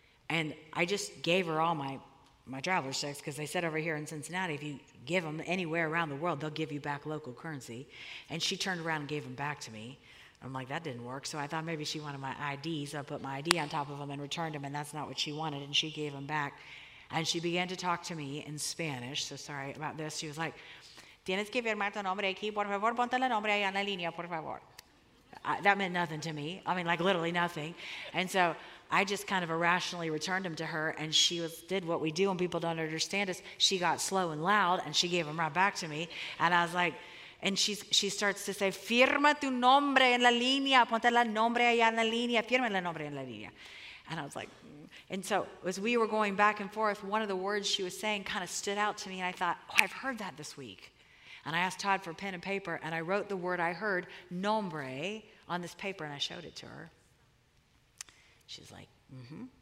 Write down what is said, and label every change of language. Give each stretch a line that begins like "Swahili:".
English: And I just gave her all my traveler's checks, because they said over here in Cincinnati, if you give them anywhere around the world, they'll give you back local currency. And she turned around and gave them back to me. I'm like, that didn't work. So I thought maybe she wanted my ID. So I put my ID on top of them and returned them. And that's not what she wanted. And she gave them back. And she began to talk to me in Spanish. So sorry about this. She was like,
Spanish: tienes que firmar tu nombre aquí, por favor, ponte el nombre en la línea, por favor.
English: That meant nothing to me. I mean, like, literally nothing. And so I just kind of irrationally returned them to her, and she did what we do when people don't understand us. She got slow and loud, and she gave them right back to me. And I was like, and she starts to say,
Spanish: firma tu nombre en la línea, ponte el nombre allá en la línea, firma el nombre en la línea.
English: And I was like, And so as we were going back and forth, one of the words she was saying kind of stood out to me, and I thought, oh, I've heard that this week. And I asked Todd for pen and paper, and I wrote the word I heard, nombre, on this paper, and I showed it to her. She's like, mm-hmm.